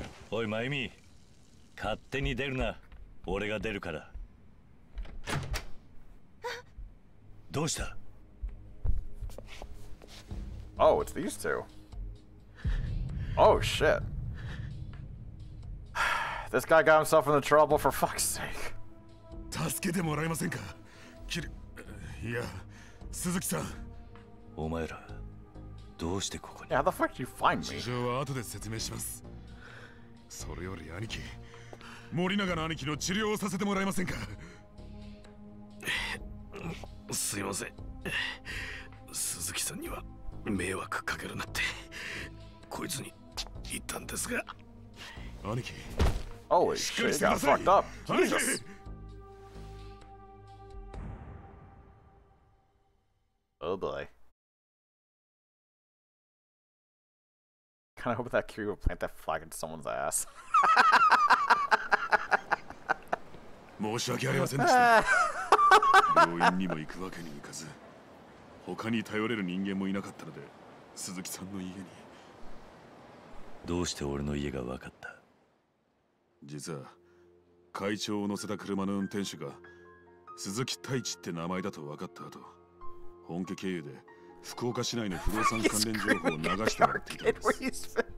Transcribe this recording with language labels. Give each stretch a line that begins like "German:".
Japanese: Oi, Mayumi. 勝手に出るな。俺が出るから。どうした?
English: Oh, it's these two. Oh, shit. This guy got himself into trouble for fuck's sake.
Japanese: 助けてもらえませんか? キリ、いや、鈴木さん。お前ら、どうしてここに?
English: How the fuck did you find me?
Japanese: 事情は後で説明します。それより兄貴、森永の兄貴の治療をさせてもらえませんか? すいません。鈴木さんには迷惑かけるなって、こいつに言ったんですが。兄貴。
English: Oh, he got fucked up. Jesus. Oh boy. Kinda hope that Kiryu will plant that flag in someone's ass.
Japanese: 申し訳ありませんでした。病院にも行くわけにいかず、他に頼れる人間もいなかったので、鈴木さんの家に。どうして俺の家がわかった? 実は、会長を乗せた車の運転手が、鈴木太一って名前だとわかった後、本家経由で福岡市内の不動産関連情報を流してもらっていたんです。